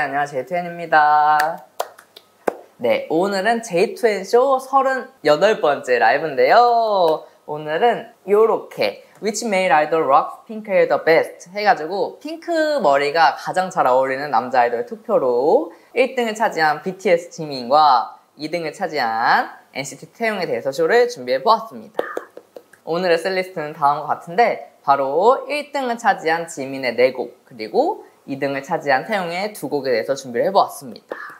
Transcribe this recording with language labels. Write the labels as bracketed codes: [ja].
[ko] 안녕하세요, J2N입니다. 네, 오늘은 J2N 쇼 38번째 라이브인데요. 오늘은 요렇게 [en] Which male idol rocks pink hair the best? [ko] 해가지고 핑크 머리가 가장 잘 어울리는 남자 아이돌 투표로 1등을 차지한 BTS 지민과 2등을 차지한 NCT 태용에 대해서 쇼를 준비해보았습니다. 오늘의 셀리스트는 다음과 같은데 바로 1등을 차지한 지민의 4곡 그리고 2등을 차지한 태용의 2곡에 대해서 준비를 해보았습니다.